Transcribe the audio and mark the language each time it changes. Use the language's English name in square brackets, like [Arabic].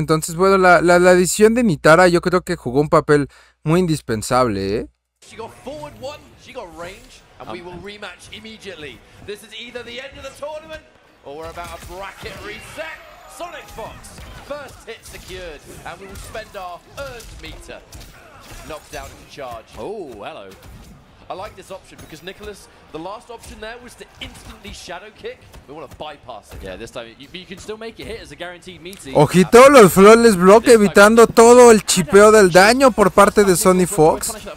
[Spanish] Entonces, bueno, la decisión de Nitara yo creo que jugó un papel muy indispensable, [English] She got forward one, she got range, and we will rematch immediately. This is either the end of the tournament, or we're about a bracket reset. Sonic Fox, first hit secured, and we will spend our earned meter. Knocked down in charge. Oh, hello. I like this option because Nicholas, the last option there was to instantly shadow kick. We want to bypass it. Yeah, this time you can still make it hit as a guaranteed meeting. [Spanish] Ojito, los flawless block evitando todo el chipeo del daño por parte de Sonny Fox.